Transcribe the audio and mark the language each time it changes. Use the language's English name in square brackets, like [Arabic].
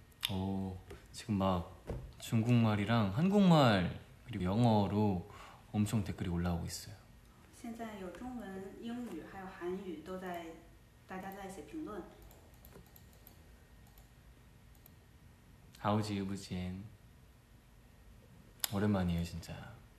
[Korean] 오, 지금 막 중국말이랑 한국말 그리고 영어로 엄청 댓글이 올라오고 있어요. [Chinese] 现在有中文、英语还有韩语都在，大家在写评论。 [Korean] 하우지 유부진, 오랜만이에요 진짜.